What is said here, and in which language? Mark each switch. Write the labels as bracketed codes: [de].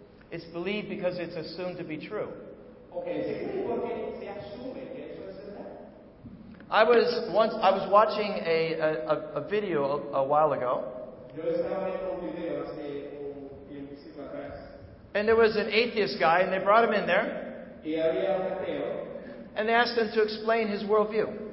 [en] It's believed because it's assumed to be true. [es] Okay, ¿se cree porque se asume que eso es verdad? [en] I was watching a video a while ago. [es] Yo estaba viendo un video hace un tiempo atrás. [en] And there was an atheist guy, and they brought him in there. [es] Y había un ateo. [en] And they asked him to explain his worldview.